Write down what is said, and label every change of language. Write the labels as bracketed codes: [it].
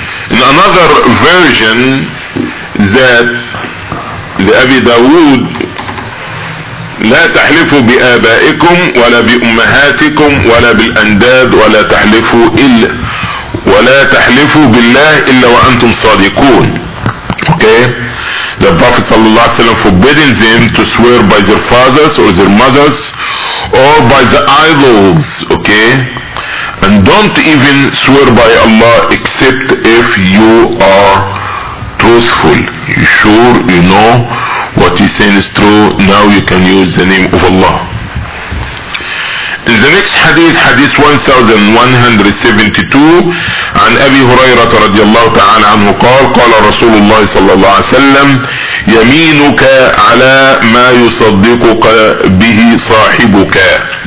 [en] In another version, that the Abi Dawood, [ar] لا تحلفوا بآبائكم ولا بأمهاتكم ولا بالأنداد ولا تحلفوا إلا ولا تحلفوا بالله إلا وأنتم صادقون. [en] Okay, the Prophet [ar] صلى الله عليه وسلم [en] forbidding them to swear by their fathers or their mothers or by the idols. Okay, and don't even swear by Allah except if you are truthful. You sure you know what he's saying is true, now you can use the name of Allah. In the next hadith, hadith 1172, [ar] عن أبي هريرة رضي الله تعالى عنه قال, قال رسول الله صلى الله عليه وسلم, يمينك على ما يصدقك به صاحبك.